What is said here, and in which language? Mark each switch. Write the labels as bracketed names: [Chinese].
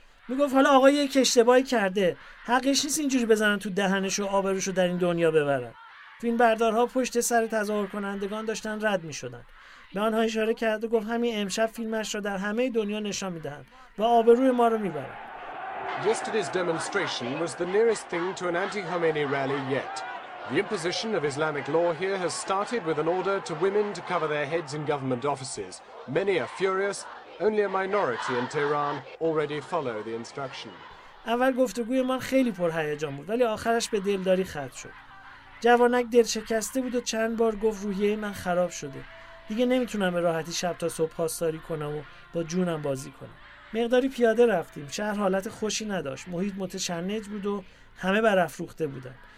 [Persian] میگفت حالا آقای یک اشتباهی کرده. حقش نیست اینجوری بزنن تو دهنش و آبروش رو در این دنیا ببرن. فیلم بردارها پشت سر تظاهر کنندگان داشتن رد میشدن. به آنها اشاره کرد و گفت همین امشب فیلمش را در همه دنیا نشان میدهند و آبروی ما را میبرند. [English] Yesterday's demonstration was the nearest thing to an anti-Khomeini rally yet. The imposition of Islamic law here has started with an order to women to cover their heads in government offices. Many are furious. Only a minority in Tehran already follow the instruction. [Persian] اول گفتگوی من خیلی پرهیجان بود ولی آخرش به دلداری ختم شد. جوانک دلشکسته بود و چند بار گفت روحیه من خراب شده. دیگه نمیتونم به راحتی شب تا صبح پاسداری کنم و با جونم بازی کنم. مقداری پیاده رفتیم. شهر حالت خوشی نداشت. محیط متشنج بود و همه برافروخته بودن.